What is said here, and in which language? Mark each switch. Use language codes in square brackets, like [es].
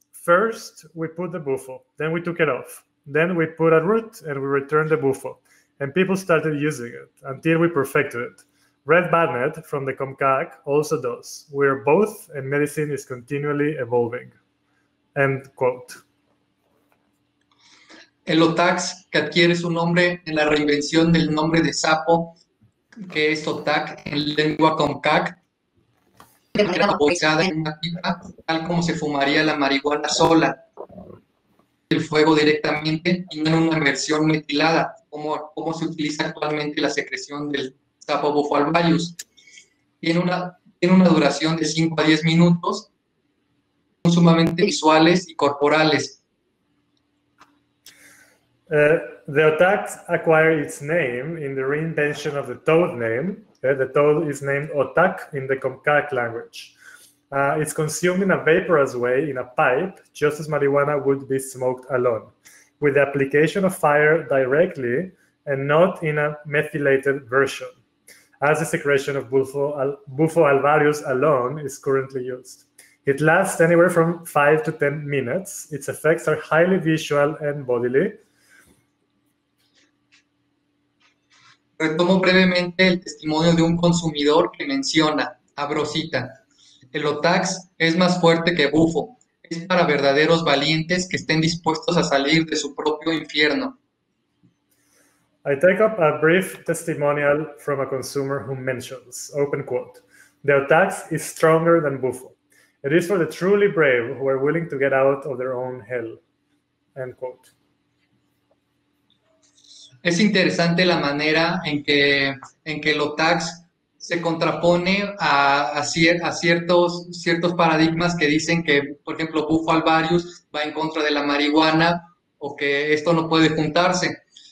[en] First, we put the bufo, then we took it off. Then we put a root and we returned the bufo. And people started using it until we perfected it. Red Barnett from the CONCAC also does. We are both and medicine is continually evolving. End quote. [es] El Otax, que adquiere su nombre en la reinvención del nombre de sapo, que es Otac en lengua CONCAC, vaporizada en una pipa, tal como se fumaría la marihuana sola, el fuego directamente, y no en una versión metilada, como se utiliza actualmente la secreción del sapo bufo alvarius. Tiene una duración de 5 a 10 minutos, son sumamente visuales y corporales. [en] The Otax acquired its name in the reinvention of the toad name. The toad is named Otak in the CONCAC language. It's consumed in a vaporous way in a pipe, just as marijuana would be smoked alone, with the application of fire directly and not in a methylated version, as the secretion of Bufo alvarius alone is currently used. It lasts anywhere from 5 to 10 minutes. Its effects are highly visual and bodily. [es] Retomo brevemente el testimonio de un consumidor que menciona, abro cita, el Otax es más fuerte que Bufo, es para verdaderos valientes que estén dispuestos a salir de su propio infierno. [en] I take up a brief testimonial from a consumer who mentions, open quote, "The tax is stronger than Buffo. It is for the truly brave who are willing to get out of their own hell," end quote. [es] Es interesante la manera en que lo tax se contrapone a ciertos paradigmas que dicen que, por ejemplo, Buffo Alvarius va en contra de la marihuana o que esto no puede juntarse.